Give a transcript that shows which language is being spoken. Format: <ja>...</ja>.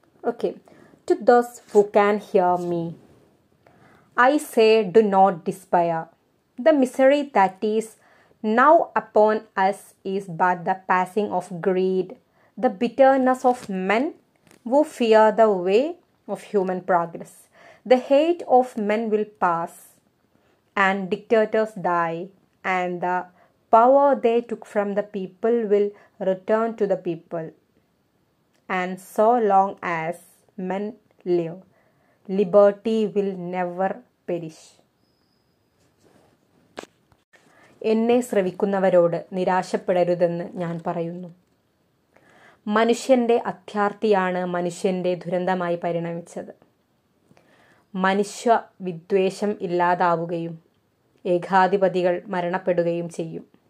<en>Okay. To those who can hear me, I say do not despair. The misery that is now upon us is but the passing of greed, the ബിറ്റേർനെസ് of men Wu fear the way of human progress. The hate of men will pass and dictators die, and the power they took from the people will return to the people. And so long as men live, liberty will never perish.</en> <ml>എന്നെ ശ്രവിക്കുന്നവരോട് നിരാശപ്പെടരുതെന്ന് ഞാൻ പറയുന്നു. മനുഷ്യൻ്റെ അത്യാർത്ഥിയാണ് മനുഷ്യൻ്റെ ദുരന്തമായി പരിണമിച്ചത്. മനുഷ്യ വിദ്വേഷം ഇല്ലാതാവുകയും ഏകാധിപതികൾ മരണപ്പെടുകയും ചെയ്യും.</ml>